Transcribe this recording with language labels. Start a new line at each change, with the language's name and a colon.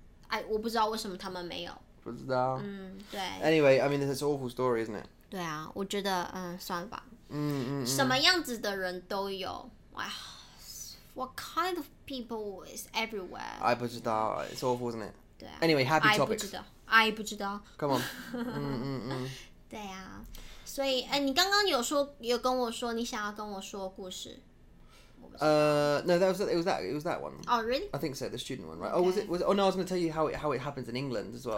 Chinese: I 我不知道为什么他们没有。不知道。
English: Anyway, I mean, it's an awful story, isn't it?
Chinese: 对啊,我觉得,算了吧。什么样子的人都有。
English: What kind of people is everywhere?
Chinese: 我不知道,
English: it's awful, isn't it?
Chinese: 对啊。
English: Anyway, happy topics.
Chinese: I 不知道
English: Come on.
Chinese: 对啊 所以你刚刚有跟我说你想要跟我说故事
English: No, it was that one. Oh, really? I think so, the student one, right? Okay. Oh, no, I was going to tell you how it happens in England as well.